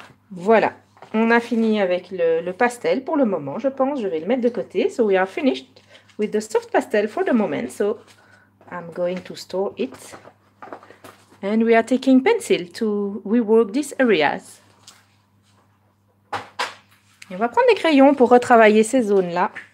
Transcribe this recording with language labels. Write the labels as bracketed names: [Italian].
[French] Voilà, on a fini avec le pastel pour le moment, je pense. Je vais le mettre de côté. [English] So we are finished with the soft pastel for the moment. So I'm going to store it. And we are taking pencil to rework these areas. [French] Et on va prendre des crayons pour retravailler ces zones-là.